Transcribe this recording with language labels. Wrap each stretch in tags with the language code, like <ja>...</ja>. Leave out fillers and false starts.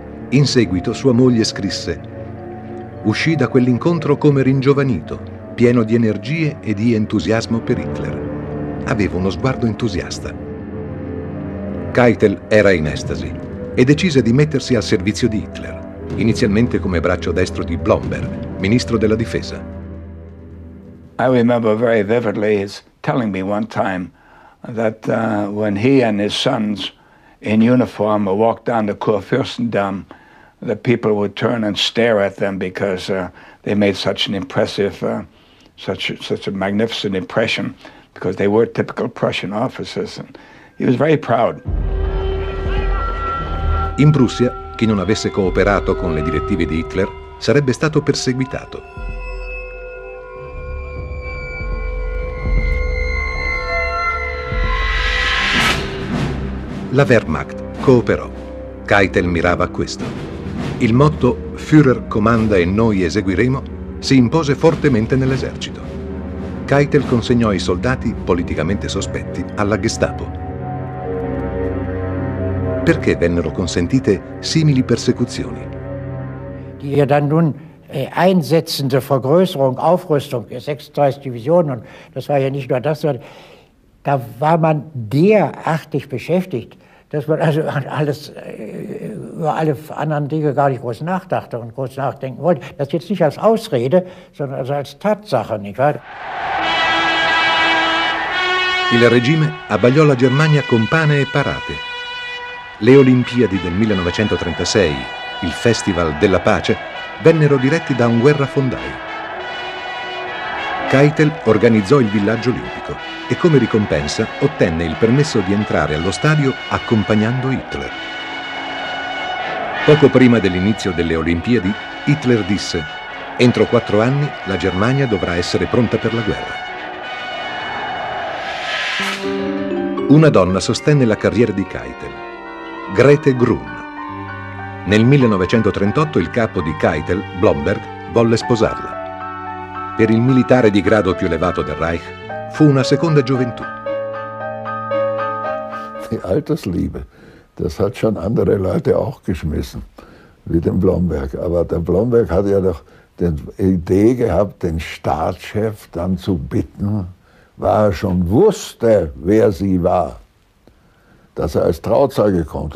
<it>In seguito sua moglie scrisse: «Uscì da quell'incontro come ringiovanito, pieno di energie e di entusiasmo per Hitler. Aveva uno sguardo entusiasta». Keitel era in estasi e decise di mettersi al servizio di Hitler, inizialmente come braccio destro di Blomberg, ministro della difesa.</it> <en>I remember very vividly his telling me one time that when he and his sons in uniform or walk down the Kurfürstendamm, the people would turn and stare at them because they made such an impressive, such a magnificent impression because they were typical Prussian officers. And he was very proud.</en> <it>In Prussia, chi non avesse cooperato con le direttive di Hitler sarebbe stato perseguitato. La Wehrmacht cooperò. Keitel mirava a questo. Il motto «Führer comanda e noi eseguiremo» si impose fortemente nell'esercito. Keitel consegnò i soldati, politicamente sospetti, alla Gestapo. Perché vennero consentite simili persecuzioni?</it> <de>Die hier dann nun einsetzende Vergrößerung, Aufrüstung, 36 Divisionen, und das war ja nicht nur das, sondern da war man derartig beschäftigt, dass man also alles über alle anderen Dinge gar nicht groß nachdachte und groß nachdenken wollte. Das jetzt nicht als Ausrede, sondern also als Tatsache, nicht wahr?</de> <it>Il regime abbagliò la Germania con pane e parate. Le Olimpiadi del 1936, il Festival della Pace, vennero diretti da un guerrafondaio. Keitel organizzò il villaggio olimpico e come ricompensa ottenne il permesso di entrare allo stadio accompagnando Hitler. Poco prima dell'inizio delle Olimpiadi, Hitler disse: «Entro 4 anni la Germania dovrà essere pronta per la guerra». Una donna sostenne la carriera di Keitel, Grete Grun. Nel 1938 il capo di Keitel, Blomberg, volle sposarla. Per il militare di grado più elevato del Reich fu una seconda gioventù.</it> <de>Die Altersliebe, das hat schon andere Leute auch geschmissen, wie den Blomberg. Aber der Blomberg hat ja doch die Idee gehabt, den Staatschef dann zu bitten, weil er schon wusste, wer sie war, dass er als Trauzeuge kommt.</de>